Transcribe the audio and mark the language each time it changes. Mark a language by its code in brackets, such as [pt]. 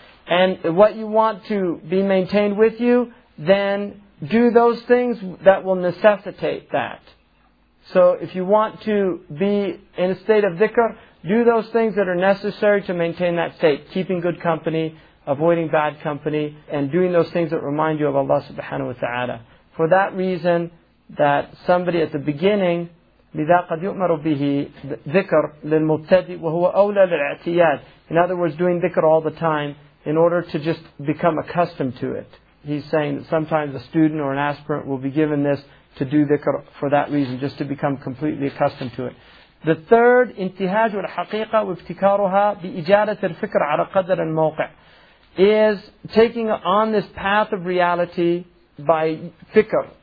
[en] And what you want to be maintained with you, then do those things that will necessitate that. So if you want to be in a state of dhikr, do those things that are necessary to maintain that state. Keeping good company, avoiding bad company, and doing those things that remind you of Allah subhanahu wa ta'ala. For that reason, that somebody at the beginning, [ar] لِذَا قَدْ يُؤْمَرُ بِهِ ذِكْرُ لِلْمُبْتَدِي وَهُوَ أَوْلَى لِلْاَعْتِيَادِ. [en] In other words, doing dhikr all the time in order to just become accustomed to it. He's saying that sometimes a student or an aspirant will be given this to do dhikr for that reason, just to become completely accustomed to it. The third, [ar] انتهاج الحقيقة وابتكارها بإجادة الفكر على قدر الموقع, [en] is taking on this path of reality by fikr.